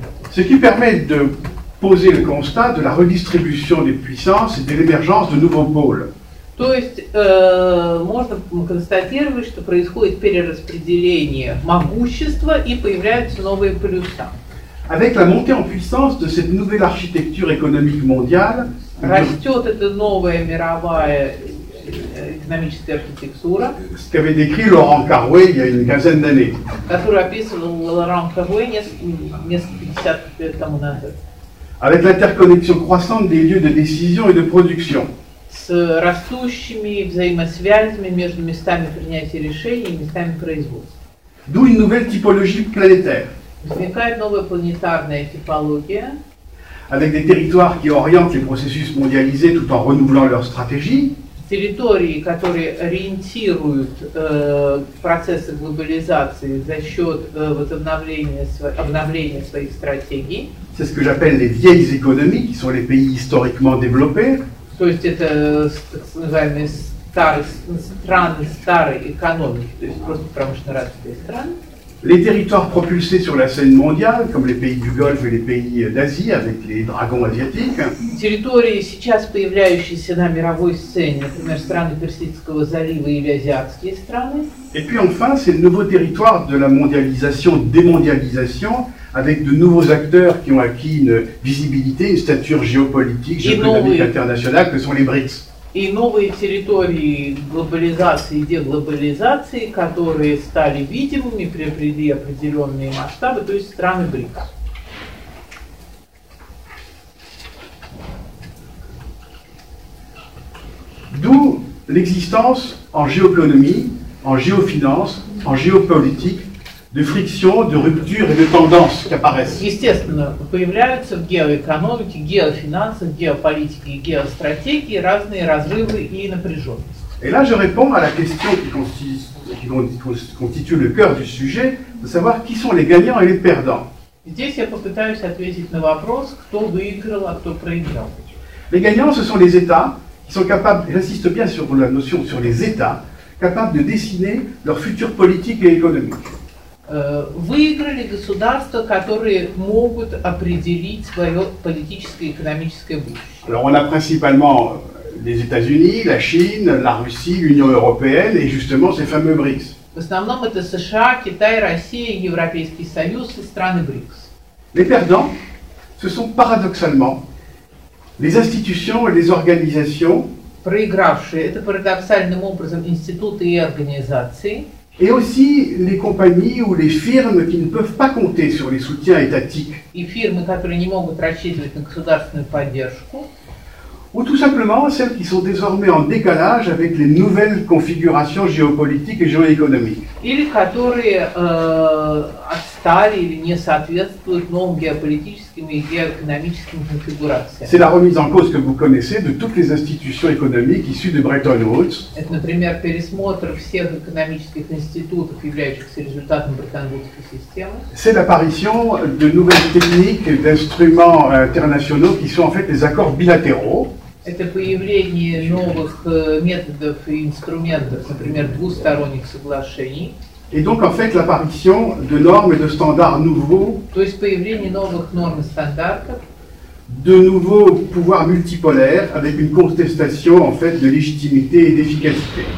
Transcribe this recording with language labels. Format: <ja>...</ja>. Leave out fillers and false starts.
<fr>Ce qui permet de poser le constat de la redistribution des puissances et de l'émergence de nouveaux pôles.</fr> <ru>То есть можно констатировать, что происходит перераспределение могущества и появляются новые плюса.</ru> <fr>Avec la montée en puissance de cette nouvelle architecture économique mondiale,</fr> <ru>растет эта новая мировая экономическая архитектура,</ru> <fr>ce qu'avait décrit Laurent Carré il y a une quinzaine d'années.</fr> <ru>Которую описывал Лоран Карре несколько десятков лет тому назад.</ru> <fr>Avec l'interconnexion croissante des lieux de décision et de production.</fr> <ru>С растущими взаимосвязями между местами принятия решений и местами производства.</ru> <fr>D'où une nouvelle typologie planétaire.</fr> <ru>Возникает новая планетарная типология.</ru> <fr>Avec des territoires qui orientent les processus mondialisés tout en renouvelant leur stratégie.</fr> <ru>Территории, которые ориентируют процессы глобализации за счет обновления своих стратегий.</ru> <fr>C'est ce que j'appelle les vieilles économies, qui sont les pays historiquement développés.</fr> <ru>То есть это так называемые страны старой экономики, то есть просто промышленно развитые страны.</ru> <fr>Les territoires propulsés sur la scène mondiale, comme les pays du Golfe et les pays d'Asie avec les dragons asiatiques.</fr> <ru>Территории сейчас появляющиеся на мировой сцене, например, страны Персидского залива или азиатские страны.</ru> <fr>Et puis enfin, ces nouveaux territoires de la mondialisation, démondialisation, avec de nouveaux acteurs qui ont acquis une visibilité, une stature géopolitique, géopolitique internationale, que sont les BRICS.</fr> <ru>И новые территории глобализации и деглобализации, которые стали видимыми, приобрели определенные масштабы, то есть страны БРИКС.</ru> <fr>D'où l'existence en géoéconomie, en géofinance, en géополитике de friction, de rupture et de tendance qui apparaissent.</fr> <ru>Естественно, появляются в геоэкономике, геофинансах, геополитике и геостратегии разные разрывы и напряженности.</ru> <fr>Et là, je réponds à la question qui constitue le cœur du sujet, de savoir qui sont les gagnants et les perdants.</fr> <ru>Здесь я попытаюсь ответить на вопрос, кто выиграл, а кто проиграл.</ru> <fr>Les gagnants, ce sont les États qui sont capables, j'insiste bien sur la notion sur les États, capables de dessiner leur futur politique et économique.</fr> <ru>Выиграли государства, которые могут определить свое политическое и экономическое будущее.</ru> <fr>Alors on a principalement les États-Unis, la Chine, la Russie, l'Union européenne et justement ces fameux BRICS.</fr> <ru>В основном это США, Китай, Россия, Европейский Союз и страны БРИКС.</ru> <fr>Les perdants, ce sont paradoxalement les institutions et les organisations.</fr> <ru>Проигравшие это парадоксальным образом институты и организации.</ru> <fr>Et aussi les compagnies ou les firmes qui ne peuvent pas compter sur les soutiens étatiques.</fr> <ru>И фирмы, которые не могут рассчитывать на государственную поддержку.</ru> <fr>Ou tout simplement celles qui sont désormais en décalage avec les nouvelles configurations géopolitiques et géoéconomiques.</fr> <ru>Или которые отстали или не соответствуют новым геополитическим и геоэкономическим конфигурациям.</ru> <fr>C'est la remise en cause que vous connaissez de toutes les institutions économiques issues de Bretton Woods.</fr> <ru>Это, например, пересмотр всех экономических институтов, являющихся результатом Бреттон-Вудской системы.</ru> <fr>C'est l'apparition de nouvelles techniques et d'instruments internationaux qui sont en fait des accords bilatéraux.</fr> <ru>Это появление новых методов и инструментов, например, двусторонних соглашений.</ru> <fr>Et donc en fait l'apparition de normes et de standards nouveaux.</fr> <ru>То есть появление новых норм и стандартов.</ru> <fr>De nouveaux pouvoirs multipolaires avec une contestation en fait de légitimité et d'efficacité.</fr>